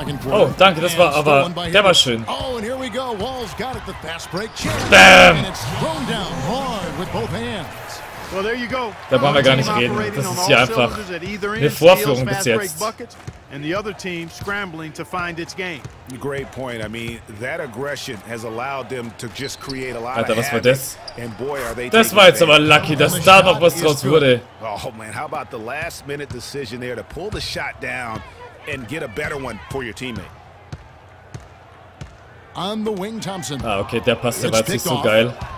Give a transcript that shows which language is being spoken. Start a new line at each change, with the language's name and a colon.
German: Oh, danke, das war aber, der war schön. Bam!
English: Well, there you go.
German: Da brauchen wir gar nicht reden. Das ist ja einfach eine Vorführung bis jetzt.
English: And the other team scrambling to find its game. Great point. I mean, that aggression has allowed them to just create a lot of.
German: Alter, was war das?
English: And boy, are they.
German: Das war jetzt aber lucky, dass da noch was draus wurde.
English: Oh man, how about the last minute decision there to pull the shot down and get a better one for your teammate. On the wing, Thompson.
German: Ah, okay, der passt aber jetzt nicht so geil.